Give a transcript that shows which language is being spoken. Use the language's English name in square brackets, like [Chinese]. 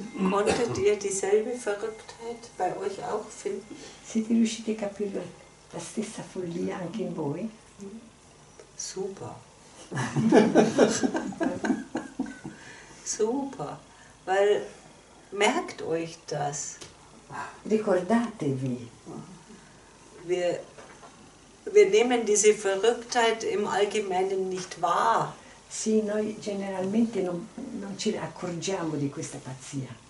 [German] Konntet ihr dieselbe Verrücktheit bei euch auch finden? [Italian] Siete riusciti a capire la stessa follia anche in voi? [German] Super. Super, weil merkt euch das. [Italian] Ricordatevi. [German] Wir nehmen diese Verrücktheit im Allgemeinen nicht wahr. [Italian] Sì, noi generalmente non ci accorgiamo di questa pazzia.